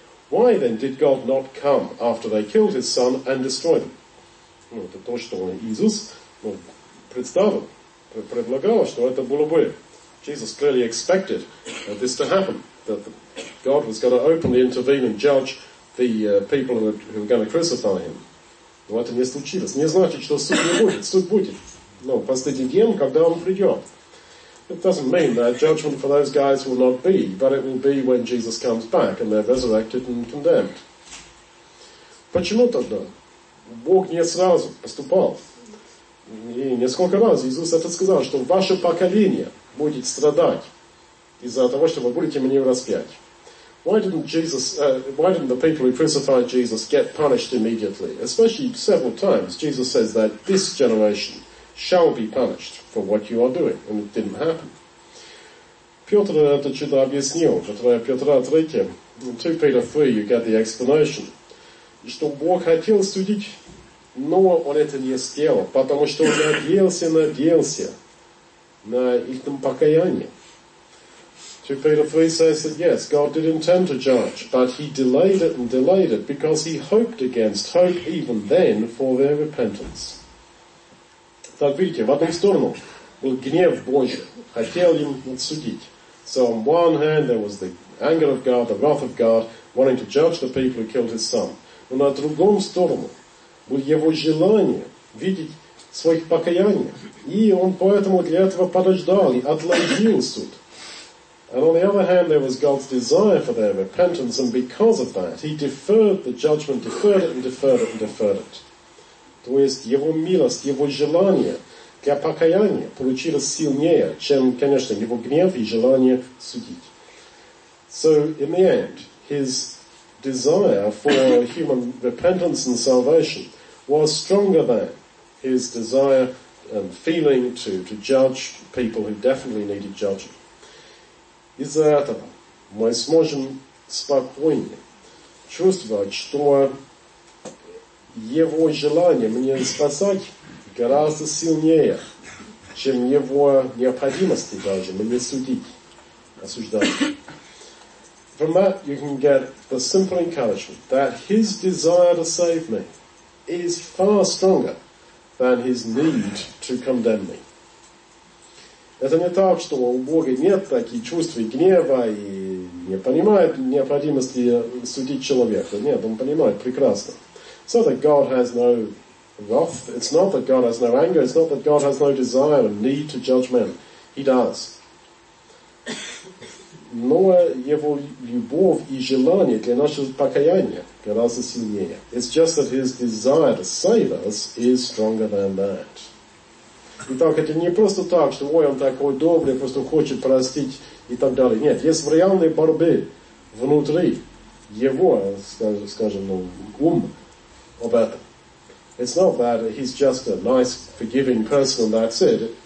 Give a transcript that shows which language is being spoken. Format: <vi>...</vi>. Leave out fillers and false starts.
<en>Why then did God not come after they killed his son and destroyed him?</en> <ru>Ну, это то, что Иисус, ну, представил, предлагал, что это было бы</ru> <en>Jesus clearly expected this to happen, that God was going to openly intervene and judge the people who were going to crucify him.</en> <ru>Но это не случилось. Не значит, что суд не будет. Суд будет. Но последний день, когда он придет.</ru> <en>It doesn't mean that judgment for those guys will not be, but it will be when Jesus comes back and they're resurrected and condemned.</en> <ru>Почему тогда? Бог не сразу поступал. И несколько раз Иисус это сказал, что ваше поколение будет страдать из-за того, что вы будете мне распять.</ru> <en>Why didn't the people who crucified Jesus get punished immediately? Especially several times, Jesus says that this generation shall be punished for what you are doing, and it didn't happen.</en> <ru>Петр это что-то объяснил, которое Петра 3,</ru> <en>2 Peter 3, you get the explanation,</en> <ru>что Бог хотел судить, но он это не сделал, потому что он надеялся на их покаяние.</ru> <en>2 Peter 3 says that yes, God did intend to judge, but he delayed it because he hoped against hope even then for their repentance.</en> <ru>Так видите, в одну сторону был гнев Божий, хотел им судить.</ru> <en>So on one hand there was the anger of God, the wrath of God, wanting to judge the people who killed his son.</en> <ru>Но на другом сторону было его желание видеть своих покаяния. И он поэтому для этого подождал и отложил суд.</ru> <en>And on the other hand, there was God's desire for their repentance, and because of that, he deferred the judgment, deferred it.</en> <ru>То есть его милость, его желание для покаяния получилось сильнее, чем, конечно, его гнев и желание судить.</ru> <en>So, in the end, his desire for human repentance and salvation was stronger than his desire and feeling to judge people who definitely needed judging.</en> <ru>Из-за этого мы сможем спокойнее чувствовать, что его желание мне спасать гораздо сильнее, чем его необходимости даже мне судить, осуждать.</ru> <en>From that you can get the simple encouragement that his desire to save me is far stronger than his need to condemn me.</en> <ru>Это не так, что у Бога нет таких чувств и гнева, и не понимает необходимости судить человека. Нет, он понимает прекрасно.</ru> <en>It's not that God has no wrath. It's not that God has no anger. It's not that God has no desire and need to judge men. He does.</en> <ru>Но его любовь и желание для нашего покаяния гораздо сильнее.</ru> <en>It's just that his desire to save us is stronger than that.</en> <ru>Итак, это не просто так, что ой, он такой добрый, просто хочет простить и так далее. Нет, есть в реальной борьбе внутри его, скажем, ум об этом.</ru> <en>It's not that he's just a nice, forgiving person and that's it.</en>